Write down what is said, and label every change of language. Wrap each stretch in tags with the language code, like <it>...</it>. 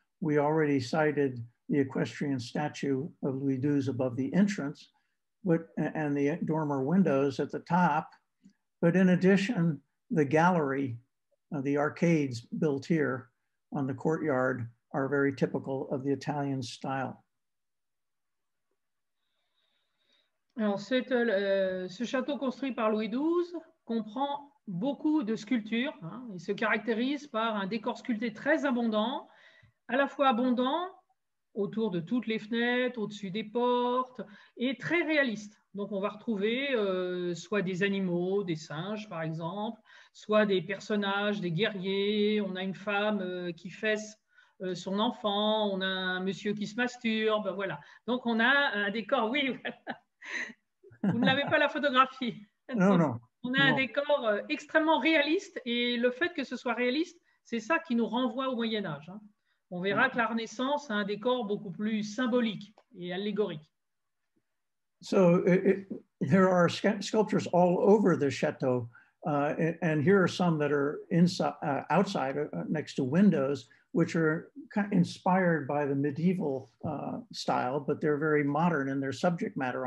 <en>We already cited the equestrian statue of Louis XII above the entrance, but, and the dormer windows at the top. But in addition, the gallery, the arcades built here on the courtyard are very typical of the Italian style.</en> <fr>Alors, ce château construit par Louis XII comprend beaucoup de sculptures. Hein. Il se caractérise par un décor sculpté très abondant, à la fois abondant autour de toutes les fenêtres, au-dessus des portes, et très réaliste. Donc, on va retrouver soit des animaux, des singes, par exemple, soit des personnages, des guerriers. On a une femme qui fesse son enfant, on a un monsieur qui se masturbe, voilà. Donc, on a un décor, oui, voilà. Vous ne l'avez pas la photographie. Non, Donc, non, on a un non. décor extrêmement réaliste, et le fait que ce soit réaliste, c'est ça qui nous renvoie au Moyen Âge, hein. On verra que la Renaissance a un décor beaucoup plus symbolique et allégorique.</fr> <en>So there are sculptures all over the chateau, and here are some that are inside, outside, next to windows, which are kind of inspired by the medieval style, but they're very modern in their subject matter.</en>